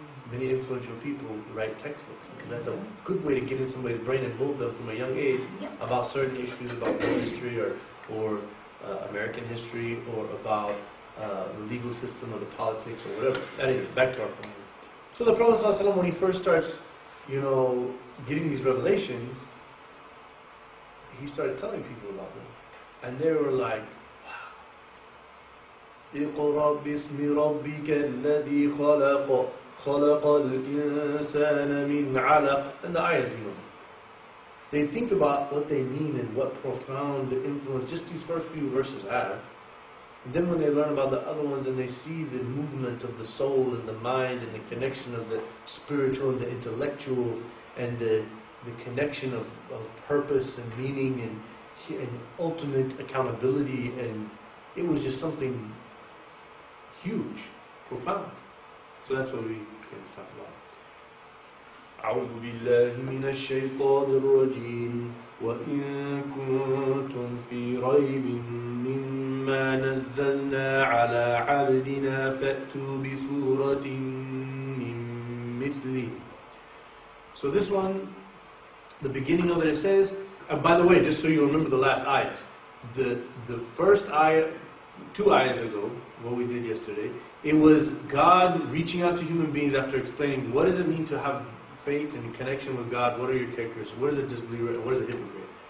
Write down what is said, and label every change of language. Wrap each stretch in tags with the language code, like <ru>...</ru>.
<en>Many influential people write textbooks, because that's a good way to get in somebody's brain and mold them from a young age about certain issues, about world history, or American history, or about the legal system, or the politics, or whatever. Anyway, back to our point. So the Prophet ﷺ, when he first starts, you know, getting these revelations, he started telling people about them. And they were like,</en> <ar>اقرأ باسم ربك الذي خلق خلق الإنسان من علق.</ar> <en>And the ayahs, you know, they think about what they mean and what profound influence just these first few verses have. And then when they learn about the other ones and they see the movement of the soul and the mind and the connection of the spiritual and the intellectual and the connection of purpose and meaning and ultimate accountability, and it was just something huge, profound. So that's what we came to talk about.</en> <ar>أعوذ بالله من الشيطان الرجيم وإن كنتم في ريب مما نزلنا على عبدنا فأتوا بسورة من مثله.</ar> <en>So this one, the beginning of it, it says, by the way, just so you remember the last ayah, the first ayah, two ayahs ago, what we did yesterday, it was God reaching out to human beings after explaining what does it mean to have faith and connection with God, what are your characteristics, what is a disbeliever, what is a hypocrite.</en>